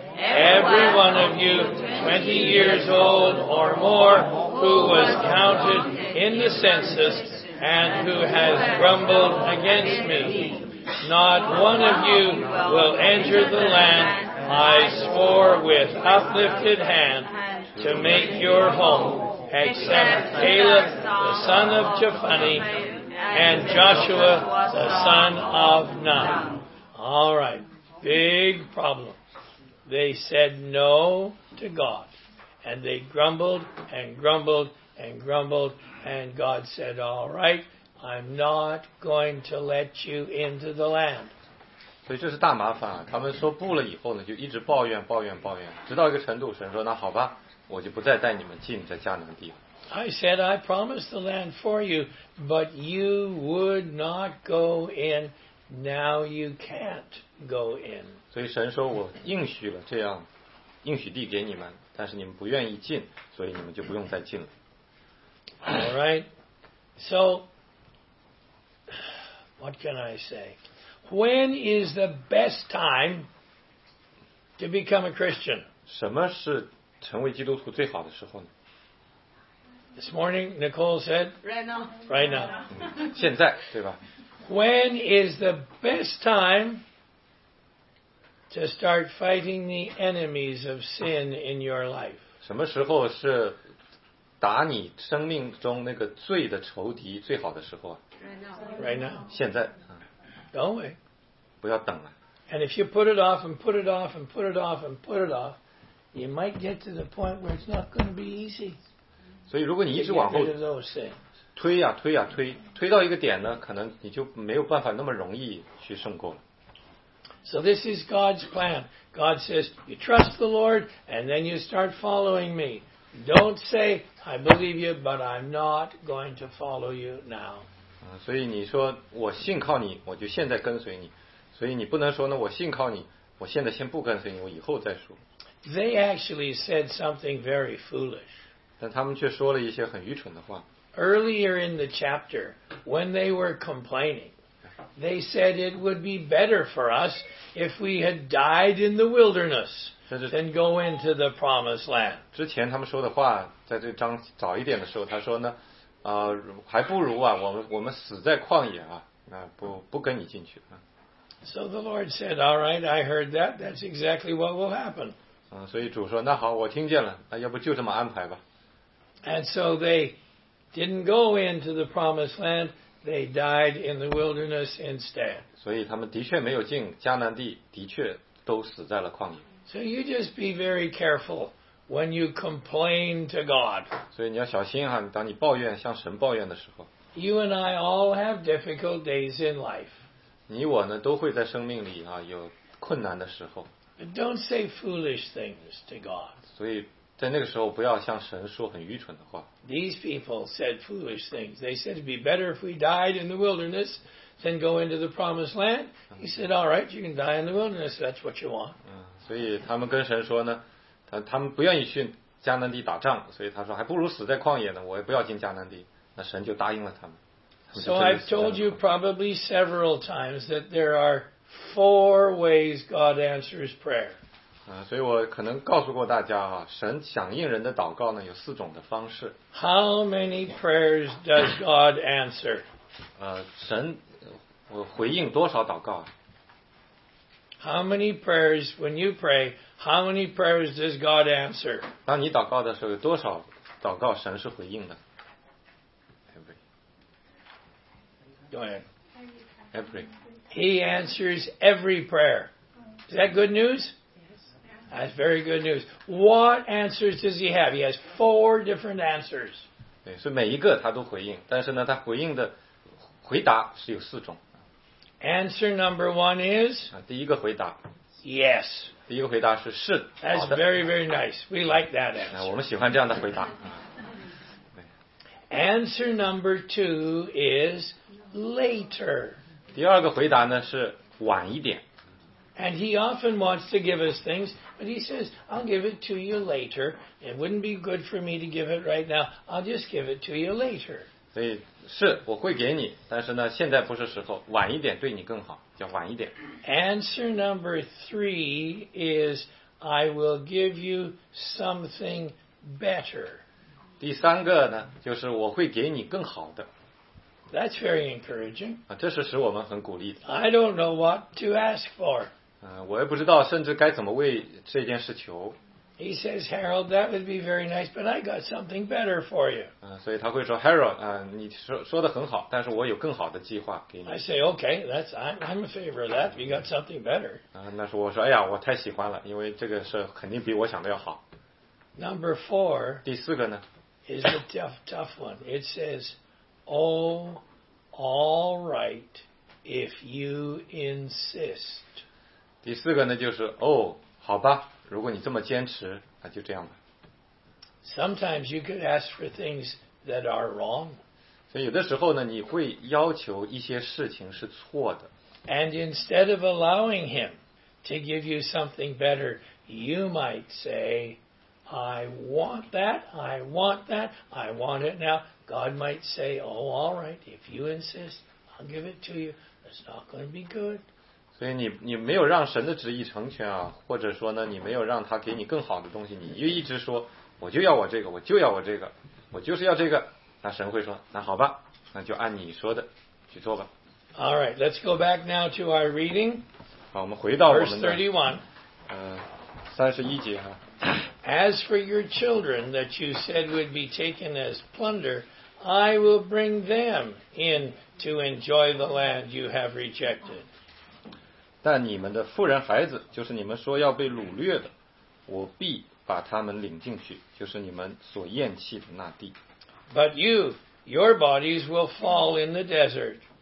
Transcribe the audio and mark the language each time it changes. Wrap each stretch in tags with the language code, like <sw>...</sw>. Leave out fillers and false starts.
<en>Every one of you, 20 years old or more, who was counted in the census and who has grumbled against me, not one of you will enter the land I swore with uplifted hand to make your home, except Caleb, the son of Jephunneh, and Joshua, the son of Nun. All right, big problem. They said no to God, and they grumbled and grumbled and grumbled, and God said, all right, I'm not going to let you into the land.</en> <zh>所以这是大麻烦啊，他们说不了以后呢，就一直抱怨抱怨抱怨，直到一个程度，神说那好吧，我就不再带你们进这迦南地了。</zh> <en>I said, I promised the land for you, but you would not go in. Now you can't go in.</en> <zh>所以神说我应许了这样应许地给你们，但是你们不愿意进，所以你们就不用再进了。</zh> <en>All right. So, what can I say? When is the best time to become a Christian?</en> <zh>什么是成为基督徒最好的时候呢？</zh> <en>This morning, Nicole said, right now.</en> <zh>现在，对吧？</zh> <en>When is the best time to start fighting the enemies of sin in your life?</en> <zh>什么时候是打你生命中那个罪的仇敌最好的时候？</zh> <en>Right now.</en> <zh>现在。</zh> <en>Don't wait.</en> <zh>不要等了。</zh> <en>And if you put it off and put it off and put it off and put it off, you might get to the point where it's not going to be easy.</en> <zh>所以如果你一直往后推呀、啊、推呀、啊、推，推到一个点呢，可能你就没有办法那么容易去胜过了。</zh> <en>So this is God's plan. God says, you trust the Lord, and then you start following me. Don't say, I believe you, but I'm not going to follow you now.</en> <zh>所以你说我信靠你，我就现在跟随你。所以你不能说呢，我信靠你，我现在先不跟随你，我以后再说。</zh> <en>They actually said something very foolish.</en> <zh>但他们却说了一些很愚蠢的话。</zh> <en>Earlier in the chapter, when they were complaining, they said it would be better for us if we had died in the wilderness than go into the promised land.</en> <zh>之前他们说的话，在这章早一点的时候，他说呢，还不如啊，我们死在旷野啊，那不跟你进去啊。</zh> <en>So the Lord said, "All right, I heard that. That's exactly what will happen."</en> <zh>所以主说，那好，我听见了，那要不就这么安排吧。</zh> <en>And so they didn't go into the promised land. They died in the wilderness instead.</en> <zh>所以他们的确没有进迦南地，的确都死在了旷野。</zh> <en>So you just be very careful when you complain to God.</en> <zh>所以你要小心啊，当你抱怨，向神抱怨的时候。</zh> <en>You and I all have difficult days in life.</en> <zh>你我呢都会在生命里啊有困难的时候。</zh> <en>Don't say foolish things to God.</en> <zh>所以在那个时候不要向神说很愚蠢的话。</zh> <en>These people said foolish things. They said it'd be better if we died in the wilderness than go into the promised land. He said, all right, you can die in the wilderness. That's what you want.</en> <zh>所以他们跟神说呢，他们不愿意去迦南地打仗，所以他说还不如死在旷野呢，我也不要进迦南地。那神就答应了他们。</zh> <en>So I've told you probably several times that there are four ways God answers prayer.</en> <zh>所以我可能告诉过大家啊，神响应人的祷告呢有四种的方式。</zh> <en>How many prayers does God answer?</en> <zh>神回应多少祷告啊？</zh> <en>How many prayers when you pray? How many prayers does God answer?</en> <zh>当你祷告的时候，有多少祷告神是回应的？</zh> <en>Every. He answers every prayer. Is that good news? That's very good news. What answers does he have? He has four different answers.</en> <zh>对，所以每一个他都回应，但是呢，他回应的回答是有四种。</zh> <en>Answer number one is.</en> <zh>第一个回答。</zh> <en>Yes.</en> <zh>第一个回答是是。</zh> <en>That's very very nice. We like that answer.</en> <zh>我们喜欢这样的回答。</zh> <en>Answer number two is. Later.</en> <zh>第二个回答呢是晚一点。</zh> <en>And he often wants to give us things, but he says, I'll give it to you later. It wouldn't be good for me to give it right now. I'll just give it to you later.</en> <zh>所以是我会给你，但是呢现在不是时候，晚一点对你更好，叫晚一点。</zh> <en>Answer number three is, I will give you something better.</en> <zh>第三个呢就是我会给你更好的。</zh> <en>That's very encouraging.</en> <zh>这是使我们很鼓励的。</zh> <en>I don't know what to ask for.</en> <zh>我也不知道甚至该怎么为这件事求。</zh> <en>He says, Harold, that would be very nice, but I got something better for you.</en> <zh>所以他会说 Harold, 你说得很好，但是我有更好的计划给你。</zh> <en>I say, okay, that's, I'm in favor of that. You got something better.</en> <zh>那时候我说哎呀我太喜欢了，因为这个是肯定比我想的要好。</zh> <en>Number four.</en> <zh>第四个呢</zh> <en>is a tough one. It says,Oh, all right, if you insist.</en> <zh>第四个呢就是哦、oh, 好吧如果你这么坚持那就这样吧。</zh> <en>Sometimes you could ask for things that are wrong.</en> <zh>所以有的时候呢你会要求一些事情是错的。</zh> <en>And instead of allowing him to give you something better, you might say, I want that, I want that, I want it now. God might say, oh, all right, if you insist, I'll give it to you. It's not going to be good.</en> <zh>所以你没有让神的旨意成全啊，或者说呢，你没有让他给你更好的东西，你就一直说，我就要我这个，我就要我这个，我就是要这个。那神会说，那好吧，那就按你说的去做吧。</zh> <en>All right, let's go back now to our reading.</en> <zh>好，我们回到我们的。</zh> <en>Verse 31.</en> <zh>31节啊。</zh> <en>As for your children that you said would be taken as plunder, I will bring them in to enjoy the land you have rejected.</en> <zh>但你们的妇人孩子，就是你们说要被掳掠的，我必把他们领进去，就是你们所厌弃的那地。</zh> <en>But you, your bodies will fall in the desert.</en>